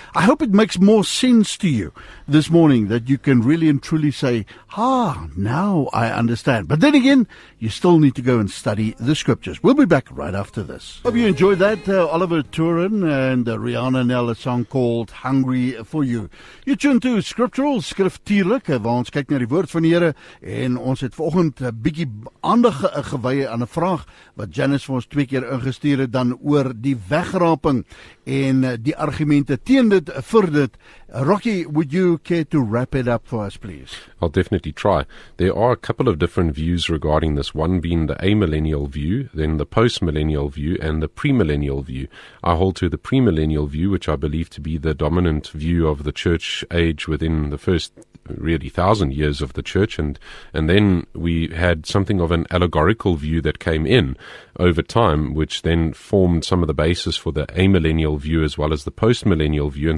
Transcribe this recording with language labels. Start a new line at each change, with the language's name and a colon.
English: I hope it makes more sense to you this morning, that you can really and truly say, ah, now I understand. But then again, you still need to go and study the scriptures. We'll be back right after this. Hope you enjoyed that, Oliver Turin and Rihanna Nell, a song called Hungry for You. You tune to Scriptural
Afrikaans: Skriftuurlik, waar ons kyk na die woord van die Here, en ons het vanoggend 'n bietjie aandag gewy aan 'n vraag wat Janice vir ons twee keer ingestuur het, dan oor die wegraping en die argumente teen dit vir dit.
English: Rocky, would you care to wrap it up for us, please? I'll definitely try. There are a couple of different views regarding this, one being the amillennial view, then the postmillennial view, and the premillennial view. I hold to the premillennial view, which I believe to be the dominant view of the church age within the first really 1,000 years of the church, and then we had something of an allegorical view that came in over time, which then formed some of the basis for the amillennial view as well as the postmillennial view.